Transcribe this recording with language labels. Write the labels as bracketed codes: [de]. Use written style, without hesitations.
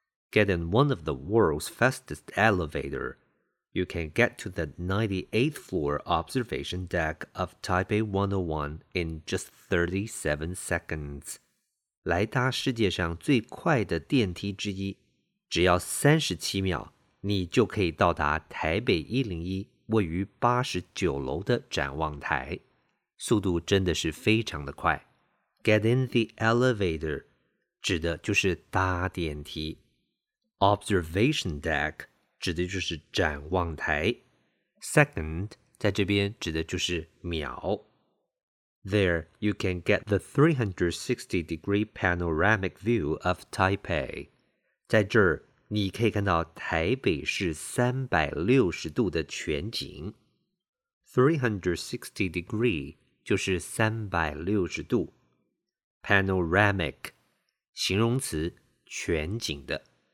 [en] Get in one of the world's fastest elevator. You can get to the 98th floor observation deck of Taipei 101 in just 37 seconds. [zh] 来搭世界上最快的电梯之一，只要37秒，你就可以到达台北101位于89楼的展望台。速度真的是非常的快。 [en] Get in the elevator, [zh] 指的就是搭电梯。 [en] Observation deck, [zh] 指的就是展望台。 Second, 在这边指的就是秒。 [en] There, you can get the 360-degree panoramic view of Taipei. [zh] 在这儿你可以看到台北市360度的全景。 360-degree 就是360度。 Panoramic, 形容词全景的。